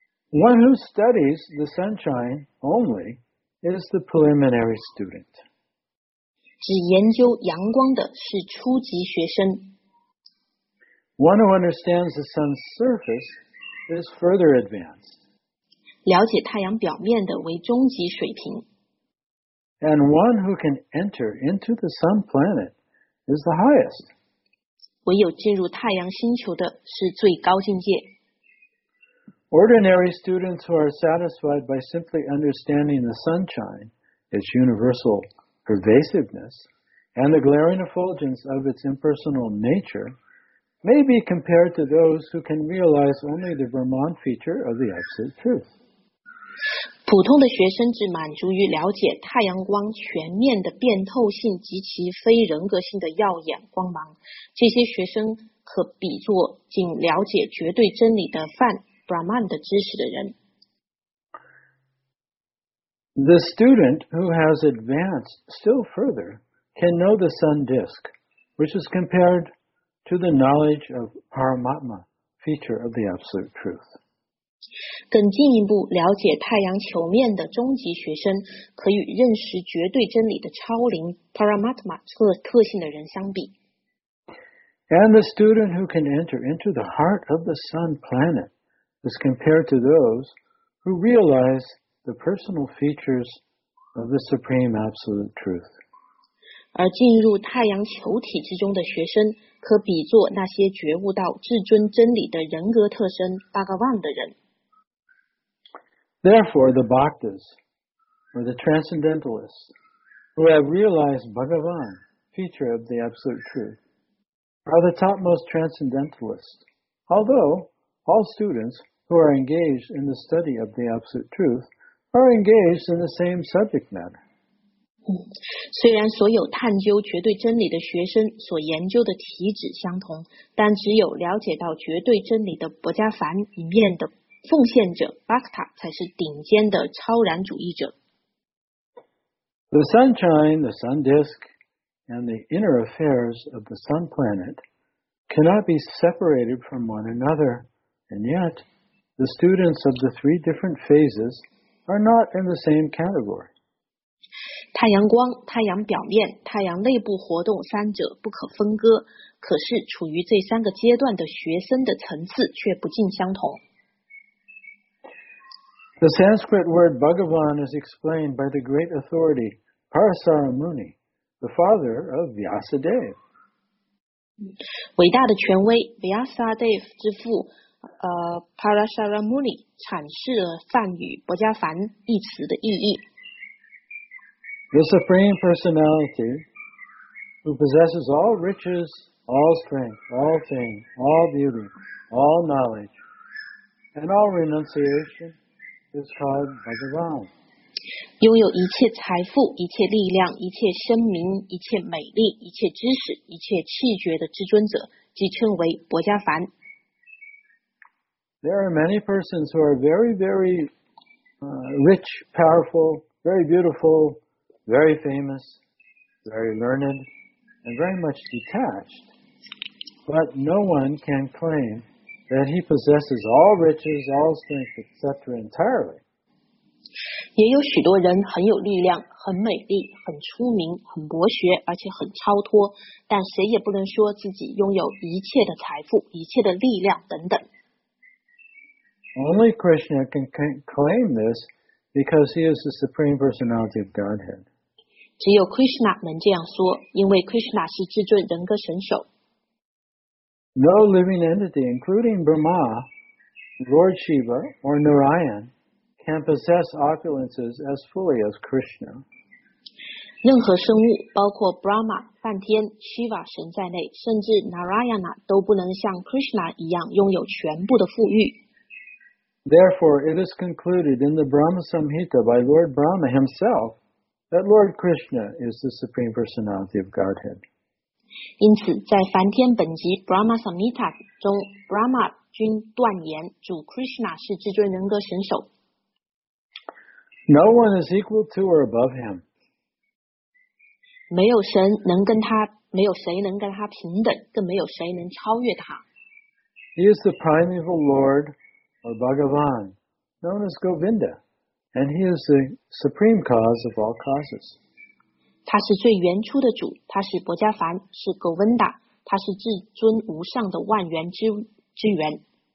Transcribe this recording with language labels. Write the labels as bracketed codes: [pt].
[en] One who studies the sunshine only is the preliminary student. [zh] 只研究阳光的是初级学生。 [en] One who understands the sun's surface is further advanced. [zh] 了解太阳表面的为中级水平。 [en] And one who can enter into the sun planet is the highest. [zh] 唯有进入太阳星球的是最高境界。 [en] Ordinary students who are satisfied by simply understanding the sunshine, its universal pervasiveness, and the glaring effulgence of its impersonal nature, may be compared to those who can realize only the Brahman feature of the Absolute Truth. [zh] 普通的学生只满足于了解太阳光全面的变透性及其非人格性的耀眼光芒。这些学生可比作仅了解绝对真理的泛Brahman 的知识的人。 [en] The student who has advanced still further can know the sun disk, which is compared to the knowledge of Paramatma, feature of the Absolute Truth. [zh] 更进一步了解太阳球面的终极学生，可与认识绝对真理的超灵 Paramatma 特性的人相比。 [en] And the student who can enter into the heart of the sun planet. Is compared to those who realize the personal features of the Supreme Absolute Truth. [zh] 而进入太阳球体之中的学生，可比作那些觉悟到至尊真理的人格特征巴格万的人。 [en] Therefore, the Bhaktas, or the transcendentalists, who have realized Bhagavan, feature of the Absolute Truth, are the topmost transcendentalists, although. All students who are engaged in the study of the Absolute Truth are engaged in the same subject matter. [zh] 虽然所有探究绝对真理的学生所研究的体旨相同，但只有了解到绝对真理的薄伽梵一面的奉献者 Bhakta 才是顶尖的超然主义者。 [en] The sunshine, the sun disk, and the inner affairs of the sun planet cannot be separated from one another. And yet, the students of the three different phases are not in the same category. [zh] 太阳光、太阳表面、太阳内部活动三者不可分割，可是处于这三个阶段的学生的层次却不尽相同。 [en] The Sanskrit word Bhagavan is explained by the great authority Parasara Muni, the father of Vyasadeva. [zh] 伟大的权威 Vyasadeva 之父Parasara Muni 阐释了梵语薄伽梵一词的意义。 [en] The Supreme Personality who possesses all riches, all strength, all fame, all beauty, all knowledge, and all renunciation is called Bhagavan. [zh] 拥有一切财富、一切力量、一切声名、一切美丽、一切知识、一切气绝的至尊者，即称为薄伽梵。 [en] There are many persons who are very, very rich, powerful, very beautiful, very famous, very learned, and very much detached. But no one can claim that he possesses all riches, all strength, etc. entirely. [zh] 也有许多人很有力量、很美丽、很出名、很博学，而且很超脱，但谁也不能说自己拥有一切的财富、一切的力量等等。 [en] Only Krishna can claim this because he is the Supreme Personality of Godhead. [zh] 只有 Krishna 能这样说，因为 Krishna 是至尊人格神首。 [en] No living entity, including Brahma, Lord Shiva, or Narayan, can possess opulences as fully as Krishna. [zh] 任何生物，包括 Brahma、梵天、Shiva 神在内，甚至 Narayana 都不能像 Krishna 一样拥有全部的富裕。 [en] Therefore, it is concluded in the Brahma Samhita by Lord Brahma himself that Lord Krishna is the Supreme Personality of Godhead. [zh] 因此，在梵天本集 Brahma Samhita 中 ，Brahma 均断言主 Krishna 是至尊人格神首。 [en] No one is equal to or above him. [zh] 没有神能跟他，没有谁能跟他平等，更没有谁能超越他。 [en] He is the primeval Lord. Or Bhagavan, known as Govinda, and he is the supreme cause of all causes. [zh] 他是最原初的主，他是薄伽梵，是 Govinda, 他是至尊无上的万源之源。